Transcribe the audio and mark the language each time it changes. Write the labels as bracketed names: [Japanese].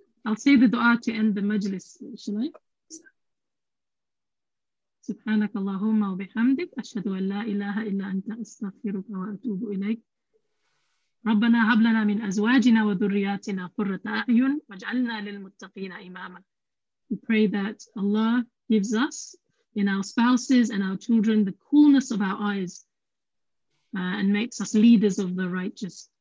[English] I'll say the dua to end the majlis, shall I? [Arabic] سبحانك اللهم وبحمدك أشهد أن لا إله إلا أنت أستغفرك وأتوب إليك ربنا هب لنا من أزواجنا وذرياتنا قرة أعين واجعلنا للمتقين إماما. [English] We pray that Allah gives us in our spouses and our children the coolness of our eyes and makes us leaders of the righteous.